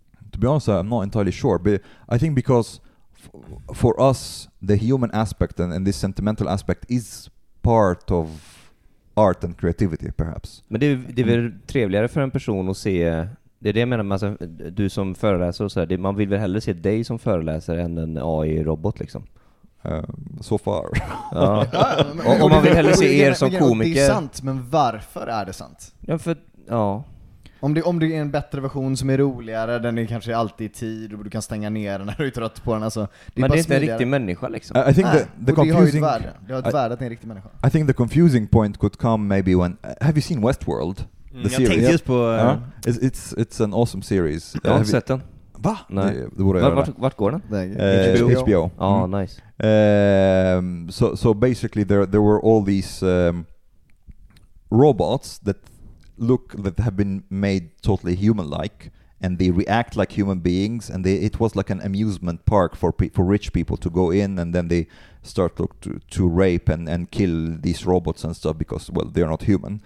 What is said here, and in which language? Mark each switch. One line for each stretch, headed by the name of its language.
English: To be honest, I'm not entirely sure, but I think because for us the human aspect and this sentimental aspect is part of art and creativity, perhaps.
Swedish: Men det är väl trevligare för en person att se, det är det jag menar, alltså, du som föreläser och så här, man vill väl hellre se dig som föreläsare än en AI-robot liksom.
English: So far.
Swedish: Ja. Och man vill hellre se er som komiker. Det är sant, men varför är det sant? Ja, för, ja. Om det är en bättre version som är roligare, den är kanske alltid i tid och du kan stänga ner när du är trött på den. Alltså, det, men det är inte en riktig människa liksom.
English: I think the confusing,
Swedish: det har ett värde. Det har ett värde att det är en riktig människa.
English: I think the confusing point could come maybe when, have you seen Westworld?
Swedish: Jag series? Tänkte just på
English: it's an awesome series.
Swedish: Jag har sett den. Va? Nej. Vart går den? HBO.
English: Ah, oh, nice. So basically there were all these robots that look, that have been made totally human-like, and they react like human beings, and they, it was like an amusement park for rich people to go in, and then they start to rape and kill these robots and stuff because, well, they're not human.